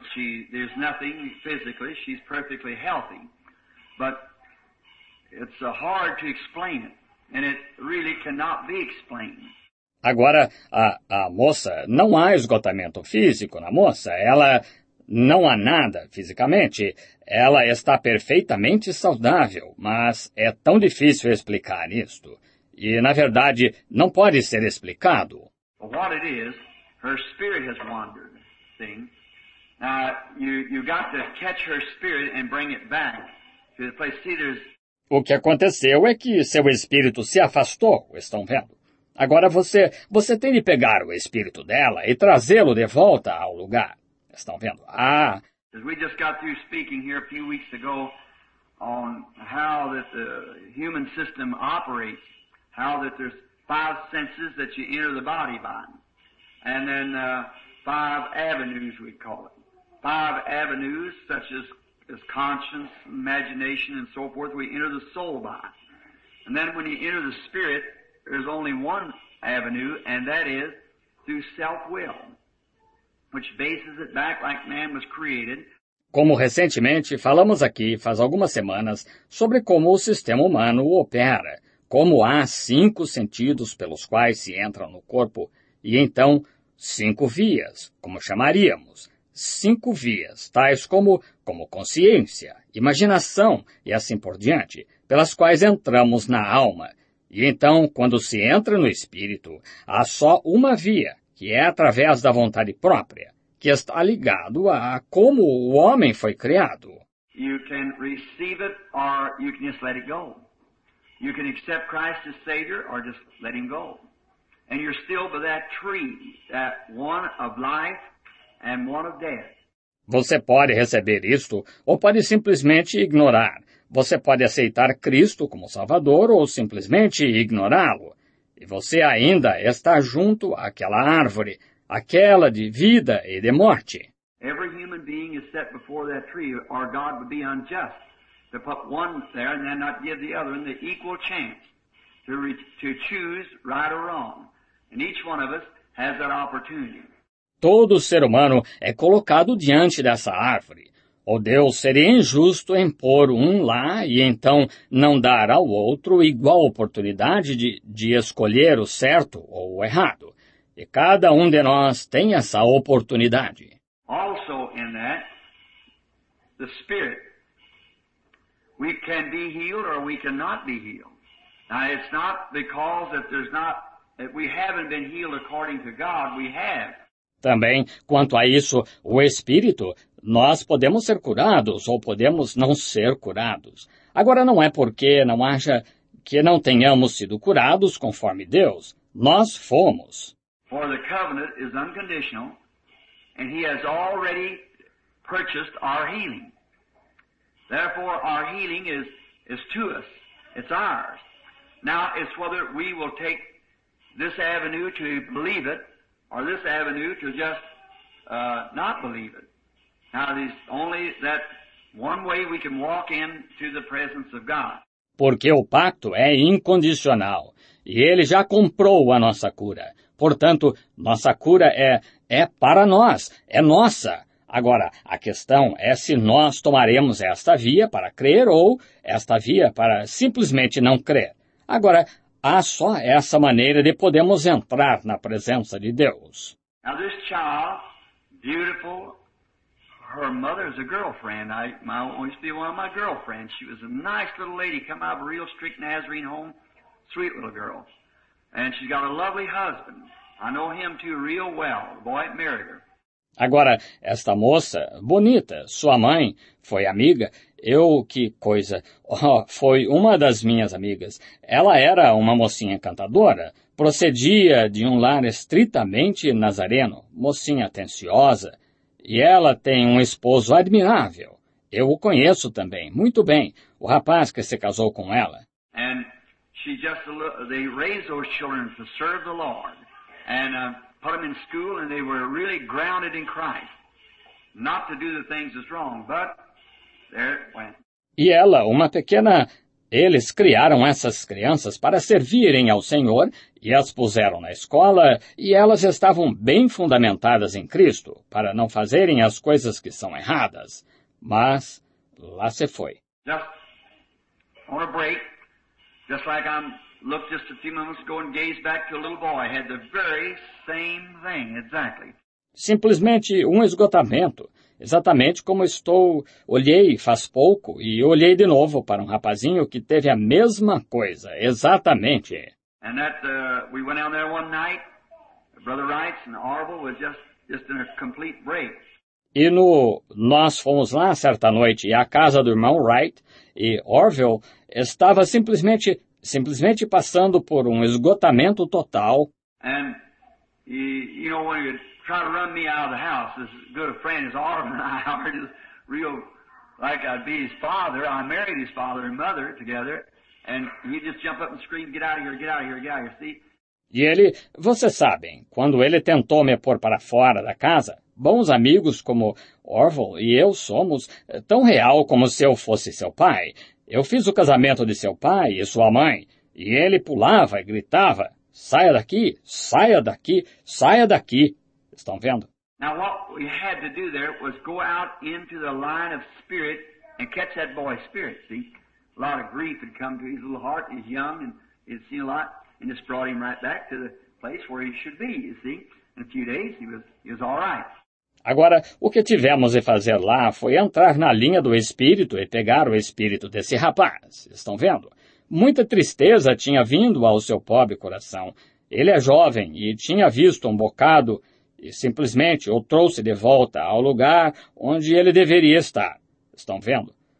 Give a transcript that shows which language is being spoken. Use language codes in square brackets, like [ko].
[en] She, there's nothing physically, she's perfectly healthy. But it's hard to explain it. And it really cannot be explained. [pt] Agora, a moça, não há esgotamento físico na moça. Ela não há nada fisicamente. Ela está perfeitamente saudável, mas é tão difícil explicar isto. E, na verdade, não pode ser explicado. [en] What it is, her spirit has wandered. See? You got to catch her spirit and bring it back to the place. See, there's... [pt] O que aconteceu é que seu espírito se afastou, estão vendo? Agora você tem de pegar o espírito dela e trazê-lo de volta ao lugar, estão vendo? Ah! [en] As we just got through speaking here a few weeks ago on how that the human system operates, how that there's five senses that you enter the body by, and then five avenues, we call it. Five avenues, such as is conscience, imagination, and so forth, we enter the soul by. And then when you enter the spirit, there's only one avenue, and that is through self-will, which bases it back like man was created. [pt] Como recentemente falamos aqui, faz algumas semanas, sobre como o sistema humano opera, como há cinco sentidos pelos quais se entra no corpo, e então cinco vias, como chamaríamos, cinco vias, tais como consciência, imaginação e assim por diante, pelas quais entramos na alma. E então, quando se entra no espírito, há só uma via, que é através da vontade própria, que está ligado a como o homem foi criado. [en] You can receive it or you can just let it go. You can accept Christ as Savior or just let him go. And you're still by that tree, that one of life. And one of death. [pt] Você pode receber isto ou pode simplesmente ignorar. Você pode aceitar Cristo como Salvador ou simplesmente ignorá-lo. E você ainda está junto àquela árvore, aquela de vida e de morte. [en] Every human being is set before that tree, or God would be unjust to put one there and then not give the other the equal chance to choose right or wrong. And each one of us has that opportunity. [pt] Todo ser humano é colocado diante dessa árvore. O Deus seria injusto em pôr um lá e então não dar ao outro igual oportunidade de escolher o certo ou o errado. E cada um de nós tem essa oportunidade. [en] Also in that, the spirit. We can be healed or we cannot be healed. Now it's not because that there's not, that we haven't been healed according to God, we have. [pt] Também, quanto a isso, o Espírito, nós podemos ser curados ou podemos não ser curados. Agora, não é porque não haja que não tenhamos sido curados conforme Deus. Nós fomos. [en] For the covenant is unconditional, and he has already purchased our healing. Therefore, our healing is to us. It's ours. Now, it's whether we will take this avenue to believe it, or this avenue to just not believe it. Now there's only that one way we can walk into the presence of God. [pt] Porque o pacto é incondicional, e ele já comprou a nossa cura. Portanto, nossa cura é para nós, é nossa. Agora, a questão é se nós tomaremos esta via para crer ou esta via para simplesmente não crer. Agora, há só essa maneira de podermos entrar na presença de Deus. [en] Now this child, beautiful, her mother's a girlfriend. I always be one of my girlfriends. She was a nice little lady, come out of a real strict Nazarene home. Sweet little girl. And she's got a lovely husband. I know him too real well. The boy married her. [pt] Agora, esta moça, bonita, sua mãe, foi amiga. Eu, que coisa. Oh, foi uma das minhas amigas. Ela era uma mocinha encantadora. Procedia de um lar estritamente nazareno, mocinha atenciosa. E ela tem um esposo admirável. Eu o conheço também, muito bem, o rapaz que se casou com ela. [en] And she just, they raised those children to serve the Lord. And put them in school and they were really grounded in Christ. Not to do the things that's wrong, but there it went. [pt] E ela, uma pequena... Eles criaram essas crianças para servirem ao Senhor e as puseram na escola e elas estavam bem fundamentadas em Cristo para não fazerem as coisas que são erradas. Mas lá se foi. [en] Just on a break, just like I looked just a few moments ago and gazed back to a little boy, had the very same thing, exactly. [pt] Simplesmente um esgotamento. Exatamente como estou, olhei faz pouco e olhei de novo para um rapazinho que teve a mesma coisa, exatamente. [en] And that, we went out there one night, Brother Wright and Orville was just in a complete break. [pt] E no, nós fomos lá certa noite e a casa do irmão Wright e Orville estava simplesmente passando por um esgotamento total. [en] And he, you know, when you're... Try to run me out of the house. As good a friend as Arvin and I are, just real like I'd be his father. I married his father and mother together, and he'd just jump up and scream, "Get out of here! Get out of here! Get out of here!" See? [pt] E ele, vocês sabem, quando ele tentou me pôr para fora da casa, bons amigos como Orville e eu somos, tão real como se eu fosse seu pai. Eu fiz o casamento de seu pai e sua mãe, e ele pulava e gritava, "Saia daqui! Saia daqui! Saia daqui!" Estão vendo? [en] Now what we had to do there was go out into the line of spirit and catch that boy's spirit. See, a lot of grief had come to his little heart. He's young and he'd seen a lot, and just brought him right back to the place where he should be. You see, in a few days he was all right. [pt] Agora, o que tivemos de fazer lá foi entrar na linha do espírito e pegar o espírito desse rapaz. Estão vendo? Muita tristeza tinha vindo ao seu pobre coração. Ele é jovem e tinha visto um bocado. E simplesmente o trouxe de volta ao lugar onde ele deveria estar. Estão vendo?